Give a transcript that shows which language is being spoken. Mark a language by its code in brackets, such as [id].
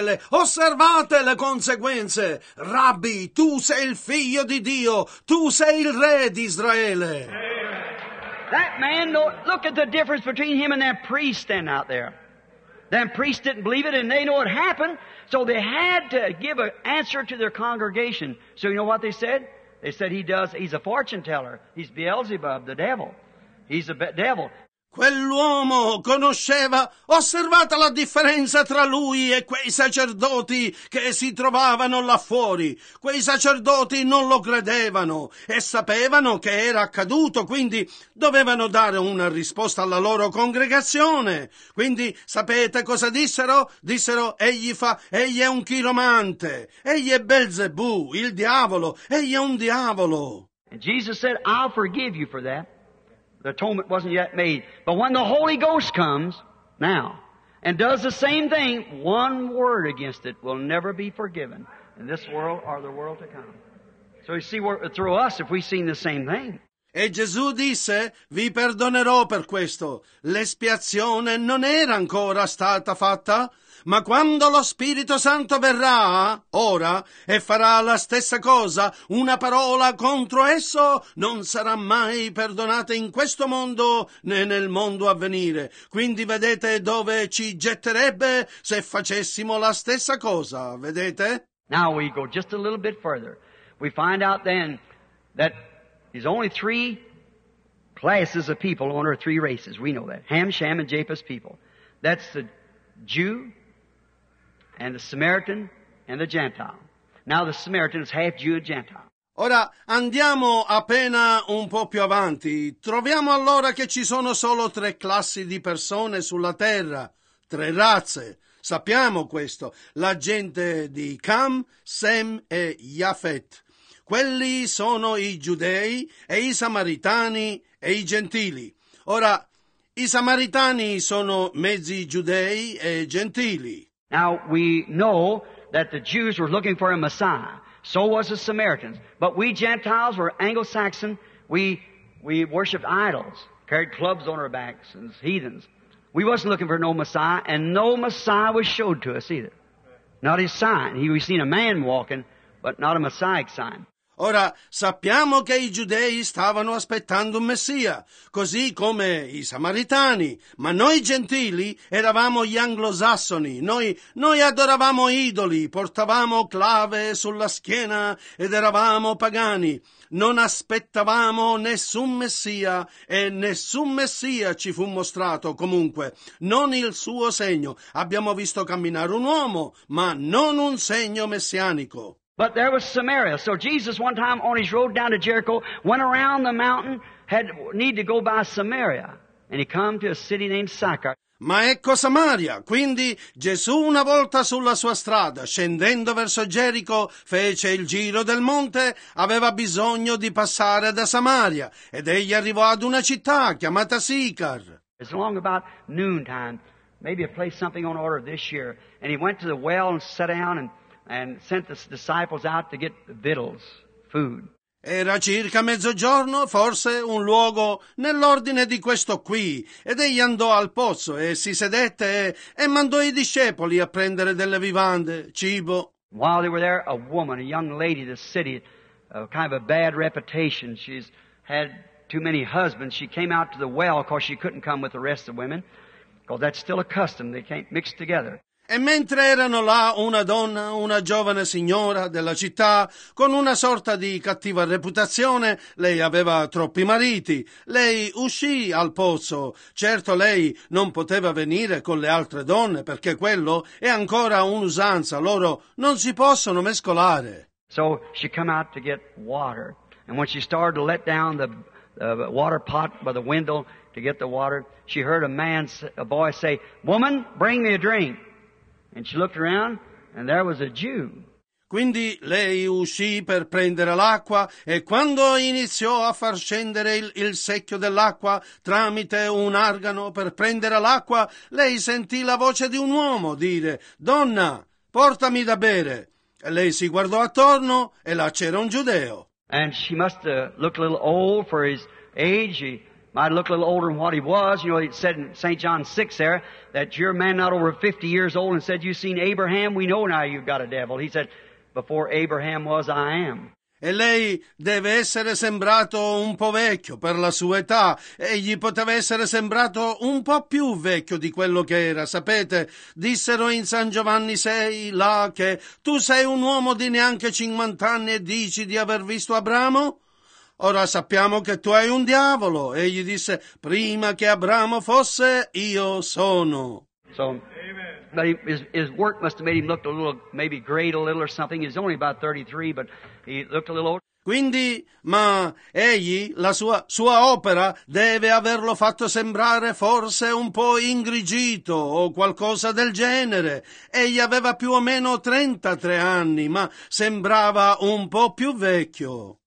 [it] Osservate le conseguenze. "Rabbi, tu sei il figlio di Dio, tu sei il re di Israele." [en] That man, look at the difference between him and that priest standing out there. That priest didn't believe it, and they know it happened, so they had to give an answer to their congregation. So you know what they said? They said he's a fortune teller. He's Beelzebub, the devil. He's a devil. [it] Quell'uomo conosceva, osservata la differenza tra lui e quei sacerdoti che si trovavano là fuori. Quei sacerdoti non lo credevano e sapevano che era accaduto, quindi dovevano dare una risposta alla loro congregazione. Quindi sapete cosa dissero? Dissero, egli è un chiromante, egli è Belzebù, il diavolo, egli è un diavolo. [en] And Jesus said, "I'll forgive you for that. The atonement wasn't yet made. But when the Holy Ghost comes now and does the same thing, one word against it will never be forgiven in this world or the world to come." So you see, through us, if we've seen the same thing. [it] E Gesù disse, "Vi perdonerò per questo. L'espiazione non era ancora stata fatta. Ma quando lo Spirito Santo verrà, ora, e farà la stessa cosa, una parola contro esso non sarà mai perdonata in questo mondo né nel mondo a venire. Quindi vedete dove ci getterebbe se facessimo la stessa cosa, vedete?" [en] Now we go just a little bit further. We find out then that there's only three classes of people on earth, three races. We know that. Ham, Shem, and Japheth's people. That's the Jew, and the Samaritan, and the Gentile. Now the Samaritan is half Jew and Gentile. [it] Ora andiamo appena un po' più avanti. Troviamo allora che ci sono solo tre classi di persone sulla terra, tre razze. Sappiamo questo. La gente di Cam, Sem e Yafet. Quelli sono i giudei e i samaritani e i gentili. Ora, i samaritani sono mezzi giudei e gentili. [en] Now we know that the Jews were looking for a Messiah. So was the Samaritans. But we Gentiles were Anglo-Saxon. We worshipped idols, carried clubs on our backs as heathens. We wasn't looking for no Messiah, and no Messiah was showed to us either. Not his sign. We seen a man walking, but not a Messiah sign. [it] Ora, sappiamo che i giudei stavano aspettando un Messia, così come i samaritani, ma noi gentili eravamo gli anglosassoni, noi adoravamo idoli, portavamo clave sulla schiena ed eravamo pagani, non aspettavamo nessun Messia e nessun Messia ci fu mostrato comunque, non il suo segno, abbiamo visto camminare un uomo, ma non un segno messianico. [en] But there was Samaria. So Jesus one time on his road down to Jericho went around the mountain, had need to go by Samaria, and he come to a city named Sychar. [it] Ma ecco Samaria. Quindi Gesù una volta sulla sua strada, scendendo verso Gerico, fece il giro del monte, aveva bisogno di passare da Samaria, ed egli arrivò ad una città chiamata Sychar. [en] It's long about noontime, maybe a place something on order this year, and he went to the well and sat down and sent the disciples out to get victuals, food. [it] Era circa mezzogiorno, forse un luogo nell'ordine di questo qui, ed egli andò al pozzo e si sedette e mandò i discepoli a prendere delle vivande, cibo. [en] While they were there, a woman, a young lady, the city, kind of a bad reputation. She's had too many husbands. She came out to the well because she couldn't come with the rest of the women. Because that's still a custom. They can't mix together. [it] E mentre erano là una donna, una giovane signora della città, con una sorta di cattiva reputazione, lei aveva troppi mariti, lei uscì al pozzo. Certo lei non poteva venire con le altre donne, perché quello è ancora un'usanza, loro non si possono mescolare. [en] So she come out to get water, and when she started to let down the water pot by the window to get the water, she heard a boy say, "Woman, bring me a drink." And she looked around, and there was a Jew. [it] Quindi lei uscì per prendere l'acqua, e quando iniziò a far scendere il secchio dell'acqua tramite un argano per prendere l'acqua, lei sentì la voce di un uomo dire, "Donna, portami da bere." E lei si guardò attorno, e là c'era un giudeo. [en] And she must look a little old for his age. He might look a little older than what he was. You know, it said in St. John 6 there, that your man not over 50 years old and said, "You've seen Abraham, we know now you've got a devil." He said, "Before Abraham was, I am." [it] E lei deve essere sembrato un po' vecchio per la sua età, e gli poteva essere sembrato un po' più vecchio di quello che era, sapete? Dissero in San Giovanni 6 là che tu sei un uomo di neanche 50 anni e dici di aver visto Abramo? Ora sappiamo che tu hai un diavolo. E gli disse, prima che Abramo fosse, io sono. [en] So, but his work must have made him look a little, maybe great a little or something. He's only about 33, but he looked a little old. [it] Quindi, ma egli, la sua opera, deve averlo fatto sembrare forse un po' ingrigito o qualcosa del genere. Egli aveva più o meno 33 anni, ma sembrava un po' più vecchio.